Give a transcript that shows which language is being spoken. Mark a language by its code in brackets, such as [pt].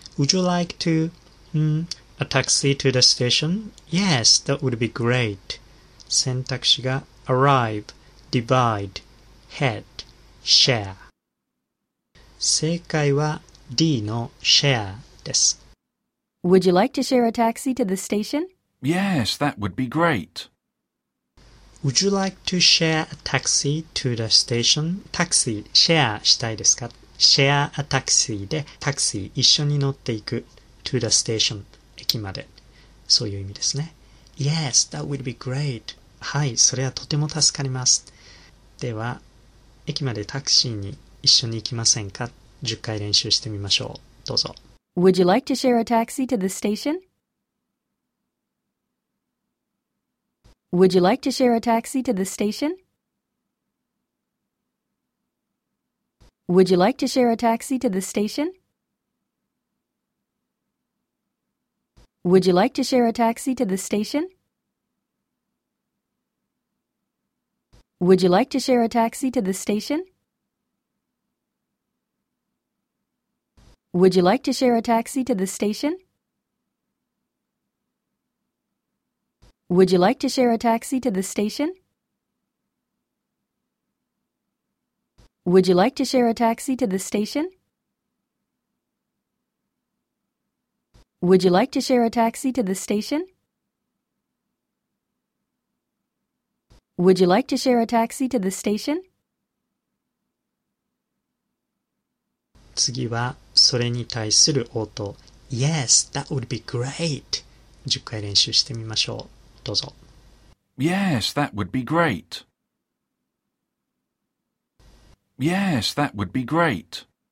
[en] Would you like to、a taxi to the station? Yes, that would be great. [ja] 選択肢が [en] arrive, divide, head, share。 [ja] 正解は D の share です。 [en] Would you like to share a taxi to the station? Yes, that would be great. Would you like to share a taxi to the station? [ja] タクシー、シェアしたいですか? [en] Share a taxi [ja] で、タクシー、一緒に乗っていく [en] to the station、 [ja] 駅まで。そういう意味ですね。 [en] Yes, that would be great. [ja] はい、それはとても助かります。では、駅までタクシーに一緒に行きませんか? 10回練習してみましょう。どうぞ。 [en] Would you like to share a taxi to the station? Would you like to share a taxi to the station? Would you like to share a taxi to the station? Would you like to share a taxi to the station? Would you like to share a taxi to the station? Would you like to share a taxi to the station? Would you like to share a taxi to the station? Would you like to share a taxi to the station? Would you like to share a taxi to the station? Would you like to share a taxi to the station? [ja] 次はそれに対する応答。 [en] Yes, that would be great. [ja] 10回練習してみましょう。どうぞ。 [en] Yes, that would be great. Yes, that would be great.